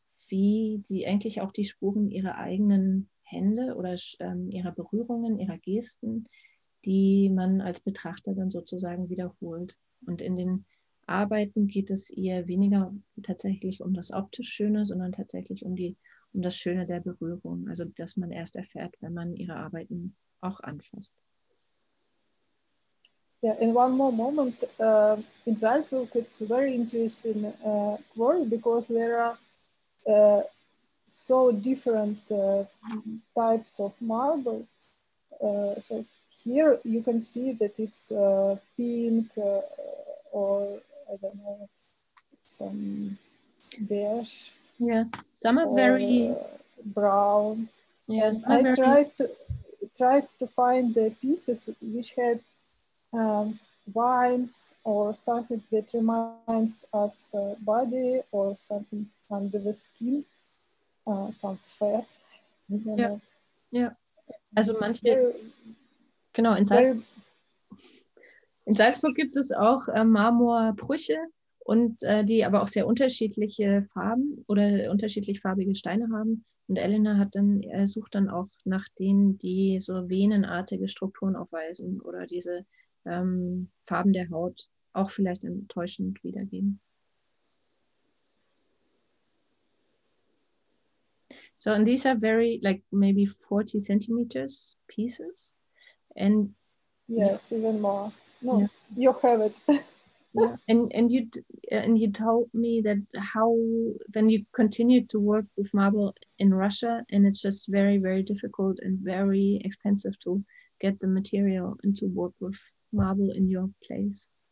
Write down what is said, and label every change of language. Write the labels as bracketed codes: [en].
[de] wie die eigentlich auch die Spuren ihrer eigenen Hände oder ihrer Berührungen, ihrer Gesten, die man als Betrachter dann sozusagen wiederholt. Und in den Arbeiten geht es ihr weniger tatsächlich um das optisch Schöne, sondern tatsächlich um das Schöne der Berührung, also dass man erst erfährt, wenn man ihre Arbeiten auch anfasst. [en] Yeah, in one more moment, in Salzburg, it's a very interesting quarry because there are so different types of marble. So here you can see that it's pink or, I don't know, some beige. Yeah, some are very brown. Yes, yeah, I tried to find the pieces which had vines or something that reminds us body or something under the skin, some fat. Yeah, yeah. [de] Also manche, genau, in Salzburg gibt es auch Marmorbrüche und die aber auch sehr unterschiedliche Farben oder unterschiedlich farbige Steine haben. Und Elena hat dann, sucht dann auch nach denen, die so venenartige Strukturen aufweisen oder diese Farben der Haut auch vielleicht enttäuschend wiedergeben. [en] So, and these are very, like, maybe 40 centimeters pieces. And yes, yeah. Even more. No, yeah. You have it. Yeah. And you told me that how then you continued to work with marble in Russia, and it's just very, very difficult and very expensive to get the material and to work with marble in your place.